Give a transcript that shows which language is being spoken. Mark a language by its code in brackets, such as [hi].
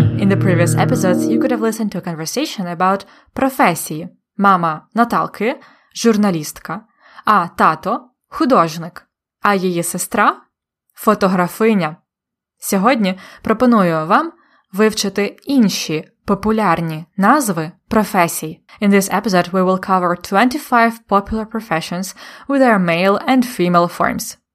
[en] In the previous episodes, you could have listened to a conversation about професії. [uk] Мама Наталки – журналістка, а тато – художник, а її сестра – фотографиня. Сьогодні пропоную вам вивчити інші популярні назви професій. [en] In this episode, we will cover 25 popular professions with their male and female forms.